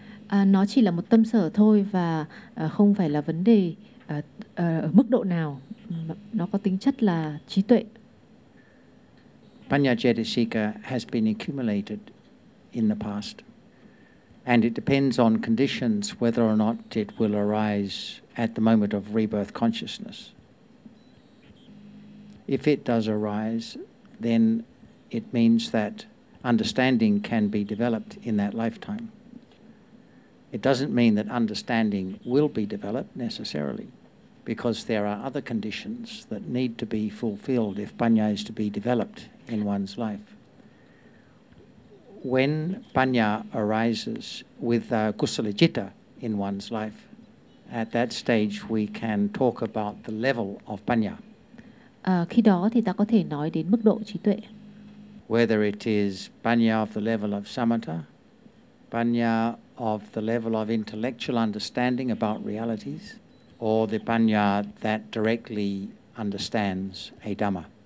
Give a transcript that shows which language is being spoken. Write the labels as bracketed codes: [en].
[vi] Nó chỉ là một tâm sở thôi và không phải là vấn đề ở mức độ nào. Nó có tính chất là trí tuệ. [en] Panya cetasika has been accumulated in the past. And it depends on conditions whether or not it will arise at the moment of rebirth consciousness. If it does arise, then it means that understanding can be developed in that lifetime. It doesn't mean that understanding will be developed necessarily, because there are other conditions that need to be fulfilled if panya is to be developed in one's life. When panya arises with kusala citta in one's life, at that stage we can talk about the level of panya. [vi] Khi đó thì ta có thể nói đến mức độ trí tuệ. [en] Whether it is panya of the level of samatha, panya of the level of intellectual understanding about realities, or the panya that directly understands a dhamma.